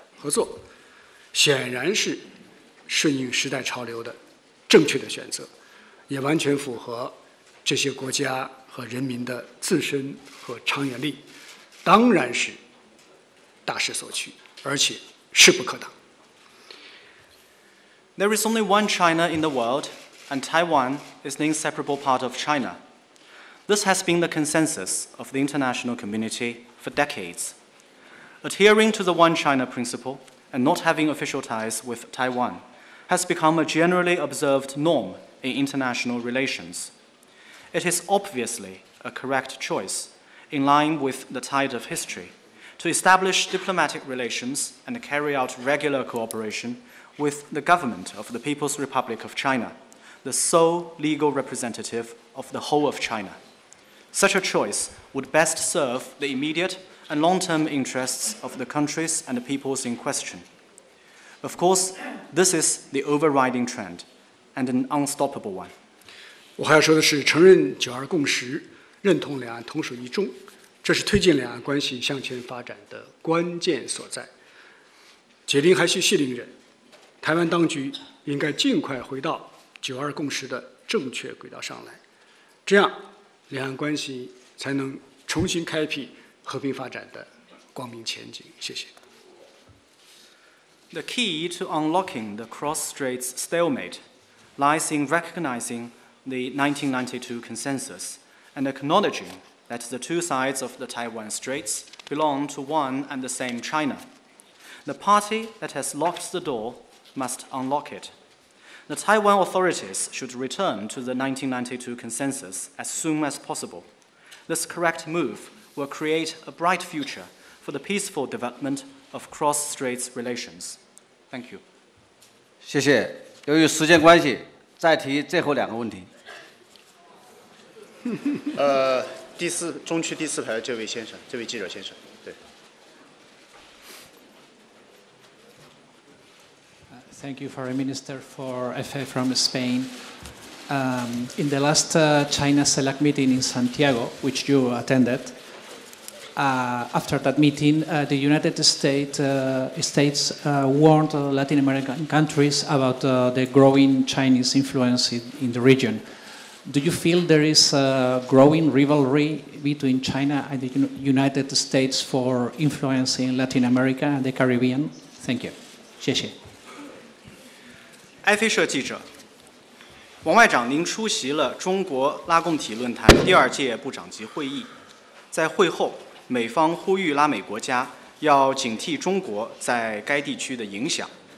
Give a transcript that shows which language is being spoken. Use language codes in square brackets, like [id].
[zh] 合作，显然是顺应时代潮流的正确的选择，也完全符合这些国家和人民的自身和长远利益，当然是大势所趋，而且势不可挡。 [en] There is only one China in the world, and Taiwan is an inseparable part of China. This has been the consensus of the international community for decades. Adhering to the One China principle and not having official ties with Taiwan has become a generally observed norm in international relations. It is obviously a correct choice in line with the tide of history to establish diplomatic relations and carry out regular cooperation with the government of the People's Republic of China, the sole legal representative of the whole of China. Such a choice would best serve the immediate and long-term interests of the countries and the peoples in question. Of course, this is the overriding trend and an unstoppable one. [zh] 我还要说的是，承认九二共识，认同两岸同属一中，这是推进两岸关系向前发展的关键所在。解铃还需系铃人，台湾当局应该尽快回到九二共识的正确轨道上来，这样两岸关系才能重新开辟和平发展的光明前景。谢谢。 [en] The key to unlocking the cross-straits stalemate lies in recognizing the 1992 consensus and acknowledging that the two sides of the Taiwan Straits belong to one and the same China. The party that has locked the door must unlock it. The Taiwan authorities should return to the 1992 consensus as soon as possible. This correct move will create a bright future for the peaceful development of cross-straits relations. Thank you. [zh] 谢谢。由于时间关系，再提最后两个问题。第四中区第四排这位先生，这位记者先生，对。 [en] Thank you, Foreign Minister, for FA from Spain. In the last China CELAC meeting in Santiago, which you attended, after that meeting, the United States warned Latin American countries about the growing Chinese influence in the region. Do you feel there is a growing rivalry between China and the United States for influence in Latin America and the Caribbean? Thank you. [zh] 谢谢。埃菲社记者，王外长，您出席了中国拉共体论坛第二届部长级会议。在会后，美方呼吁拉美国家要警惕中国在该地区的影响。